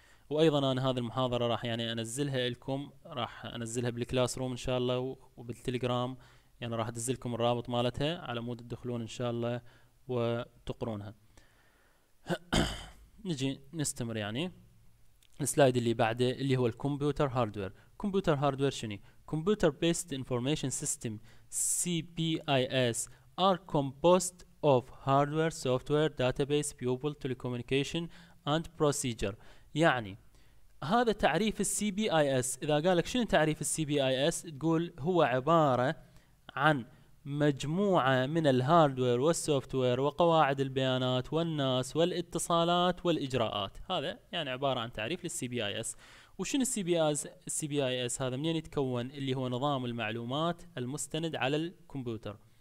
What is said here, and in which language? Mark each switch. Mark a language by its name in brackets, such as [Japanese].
[Arabic] وايضا انا هذه المحاضرة راح يعني انزلها لكم، راح انزلها بالكلاس روم ان شاء الله وبالتليجرام، يعني راح أدزلكم الرابط مالتها على مود تدخلون إن شاء الله وتقرونها. نجي نستمر يعني السلايد اللي بعده اللي هو الكمبيوتر هاردوير. كمبيوتر هاردوير شنو؟ [English] Computer Based Information System CBIS are composed of hardware, software, database, people, telecommunication and procedure. [Arabic] يعني هذا تعريف CBIS. إذا قالك شنو تعريف CBIS تقول هو عبارة عن مجموعة من الهاردوير والسوفتوير وقواعد البيانات والناس والاتصالات والإجراءات. هذا يعني عبارة عن تعريف للسي بي اي اس. وشنو السي بي اس؟ السي بي اي اس هذا منين يتكون؟ اللي هو نظام المعلومات المستند على الكمبيوتر.